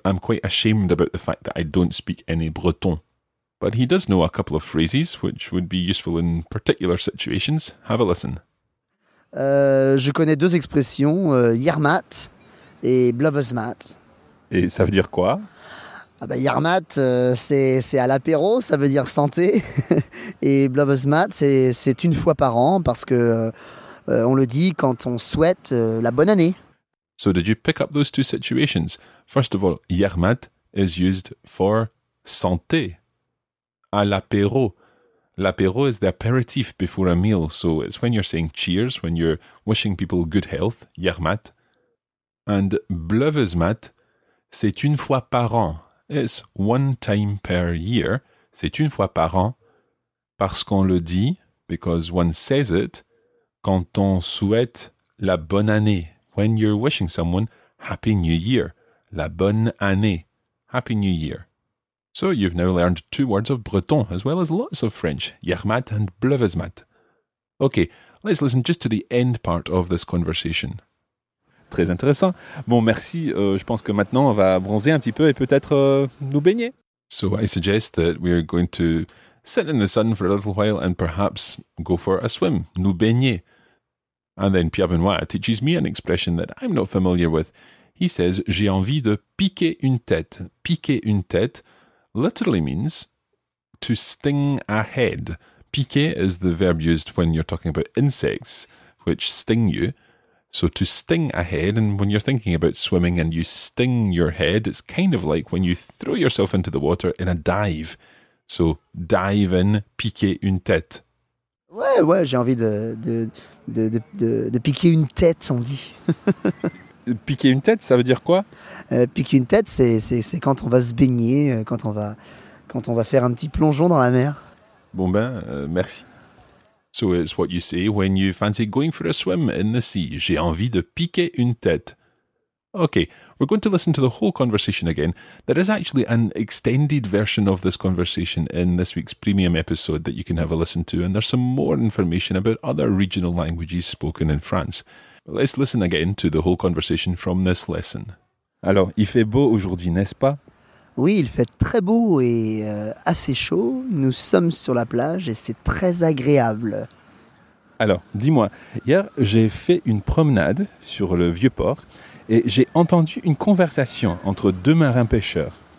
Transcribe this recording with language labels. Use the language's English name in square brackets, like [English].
[English] I'm quite ashamed about the fact that I don't speak any breton. But he does know a couple of phrases which would be useful in particular situations. Have a listen. [French] Je connais deux expressions, Yarmat et Blovesmat. Et ça veut dire quoi? Ah bah, Yarmat, c'est à l'apéro, ça veut dire santé. Et Blovesmat, c'est une fois par an parce que on le dit quand on souhaite la bonne année. [English] So did you pick up those two situations? First of all, Yarmat is used for [French] santé, à l'apéro. [English] L'apéro is the aperitif before a meal, so it's when you're saying cheers, when you're wishing people good health, Yarmat. And [French] Blovesmat, c'est une fois par an. [English] It's one time per year, [French] c'est une fois par an, parce qu'on le dit, [English] because one says it, [French] quand on souhaite la bonne année, [English] when you're wishing someone happy new year, [French] la bonne année, [English] happy new year. So you've now learned two words of breton, as well as lots of French, Yarmat and Blovesmat. Okay, let's listen just to the end part of this conversation. [French] Très intéressant. Bon, merci. Je pense que maintenant, on va bronzer un petit peu et peut-être nous baigner. [English] So I suggest that we are going to sit in the sun for a little while and perhaps go for a swim. [French] Nous baigner. [English] And then Pierre Benoît teaches me an expression that I'm not familiar with. He says, [French] j'ai envie de piquer une tête. Piquer une tête [English] literally means to sting a head. Piquer is the verb used when you're talking about insects, which sting you. So to sting a head, and when you're thinking about swimming and you sting your head, it's kind of like when you throw yourself into the water in a dive. So dive in, [French] piquer une tête. Ouais, ouais, j'ai envie de piquer une tête, on dit. Piquer une tête, ça veut dire quoi? Piquer une tête, c'est quand on va se baigner, quand on va faire un petit plongeon dans la mer. Bon ben, merci. [English] So it's what you say when you fancy going for a swim in the sea. [French] J'ai envie de piquer une tête. [English] Okay, we're going to listen to the whole conversation again. There is actually an extended version of this conversation in this week's premium episode that you can have a listen to, and there's some more information about other regional languages spoken in France. But let's listen again to the whole conversation from this lesson. [French] Alors, il fait beau aujourd'hui, n'est-ce pas? Oui, il fait très beau et assez chaud. Nous sommes sur la plage et c'est très agréable. Alors, dis-moi, hier, j'ai fait une promenade sur le vieux port et j'ai entendu une conversation entre deux marins pêcheurs.